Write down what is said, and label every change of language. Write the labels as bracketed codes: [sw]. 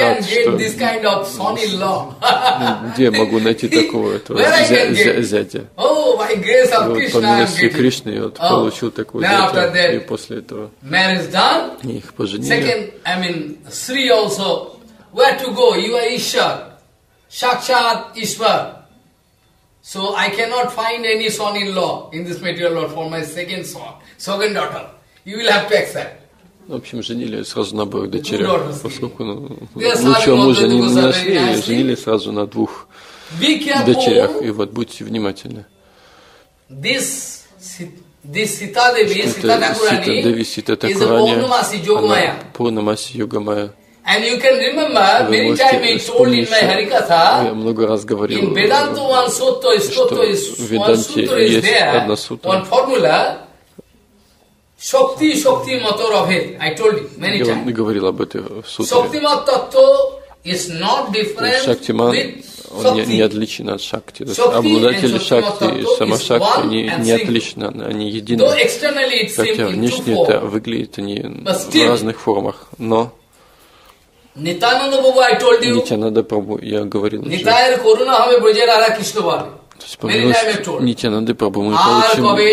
[en] I can get this kind of son in law. [ru] Где я могу найти такого этого зятя? [en] Oh, my grace of Krishna. [ru] По милости Кришны я получил такого зятя. И после этого их поженили. [en] Second, I mean, Sri also. Where to go? You are Ishwar. Shakshat Ishwar. So I cannot find any son in law in this material world for my second son, second daughter. You will have to accept. [ru] В общем, женили сразу на обоих дочерях, поскольку лучшего мужа не нашли, и женили сразу на двух дочерях. И вот, будьте внимательны. Это Сита Деви, Сита Такурани, она Пурнамаси Йогамая. [en] And you can remember, many times I told in my Harikatha, [ru] я много раз говорил, [en] in Vedanta one sutta, is sutta, is one Vedanta sutra is there, one formula, Shakti, Shakti, Mata, Rabhed. I told you many times. [ru] Я говорил об этой сутре. [en] Shakti, Mata, Tattva is not different with Shakti. [ru] Он не отличен от шакти. Обладатели шакти и сама шакти не отличны, они едины. Хотя внешне это выглядит они в разных формах, но Нитьянанда Прабху, я говорил уже. То есть, помилуйся, Нитьянанда Прабху, мы получим